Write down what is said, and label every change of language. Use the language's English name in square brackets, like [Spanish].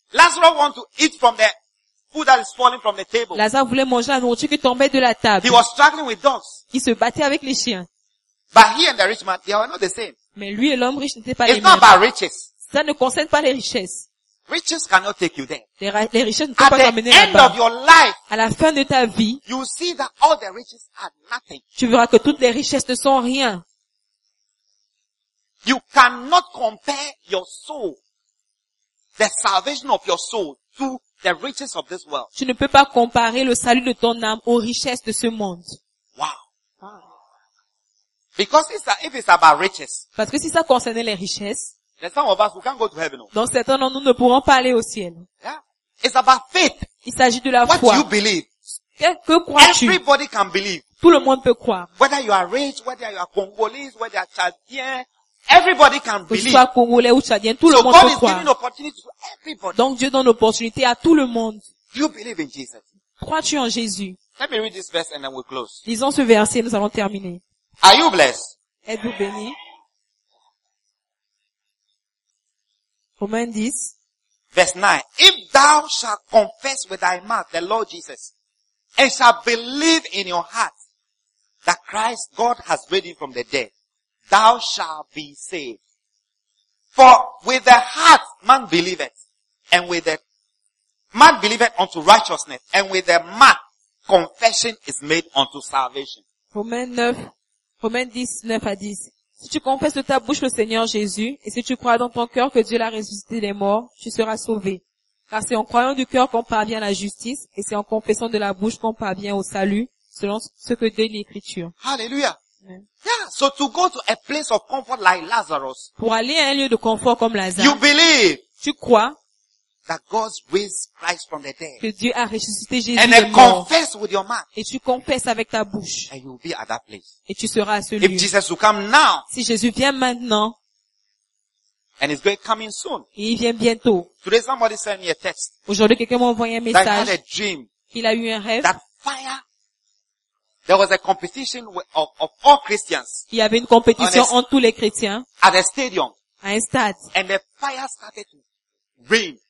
[English] Lazarus wanted to eat from the food that is falling from the table. [French] Lazare voulait manger la nourriture qui tombait de la table. [English] He was struggling with dogs. [French] Il se battait avec les chiens. [English] But he and the rich man, they are not the same. [French] Mais lui et l'homme riche n'étaient pas [English] It's [French] les mêmes. [English] It's not about riches. [French] Ça ne concerne pas les richesses. [English] Riches cannot take you there. [French] Les richesses ne peuvent pas t'amener là-bas. [English] At the end of your life, [French] à la fin de ta vie, [English] you see that all the riches are nothing. [French] Tu verras que toutes les richesses ne sont rien. [English] You cannot compare your soul, the salvation of your soul, to the riches of this world. [French] Tu ne peux pas comparer le salut de ton âme aux richesses de ce monde. [English] Wow. Because if it's about riches. [French] Parce que si ça concernait les richesses. [English] There's some of us who can't go to heaven. [French] Donc certains d'entre nous ne pourront pas aller au ciel. [English] Yeah. It's about faith. [French] Il s'agit de la [English] What [French] foi. [English] What do you believe? [French] Que crois-tu? [English] Everybody can believe. [French] Tout le monde peut croire. [English] Whether you are rich, whether you are Congolese, whether you are Chadien, Everybody can believe. [French] Que tu sois congolais ou tchadien, tout [English] so [French] le monde [English] God [French] peut croire. [English] Is giving opportunity to everybody. [French] Donc Dieu donne l'opportunité à tout le monde. [English] You believe in Jesus. [French] Crois-tu en Jésus? [English] Let me read this verse and then we'll close. [French] Lisons ce verset, nous allons terminer. [English] Are you blessed? [French] Êtes-vous béni? Romains 10. [English] Verse 9. If thou shalt confess with thy mouth the Lord Jesus, and shalt believe in your heart that Christ God has raised him from the dead, thou shalt be saved. For with the heart man believeth, and with the man believeth unto righteousness, and with the mouth confession is made unto salvation. [French] Romains 10, 9 à 10. Si tu confesses de ta bouche le Seigneur Jésus, et si tu crois dans ton cœur que Dieu l'a ressuscité des morts, tu seras sauvé. Car c'est en croyant du cœur qu'on parvient à la justice, et c'est en confessant de la bouche qu'on parvient au salut, selon ce que dit l'Écriture. Hallelujah. [English] Yeah, so to go to a place of comfort like Lazarus. [French] Pour aller à un lieu de confort comme Lazare. [English] You believe. [French] Tu crois. [English] That God raised Christ from the dead. [French] Que Dieu a ressuscité Jésus [English] And then confess with your mouth. [French] Et tu confesses avec ta bouche. [English] And you'll be at that place. [French] Et tu seras à ce lieu. [English] If Jesus will come now. [French] Si Jésus vient maintenant. [English] And he's going coming soon. [French] Et il vient bientôt. [English] Today somebody sent me a text. [French] Aujourd'hui quelqu'un m'a envoyé un message. [English] That he had a dream. Qu'il a eu un rêve. That fire. There was a competition of all Christians. [French] Il y avait une compétition entre tous les chrétiens. [English] At a stadium. [French] À un stade. [English] And the fire started to rain.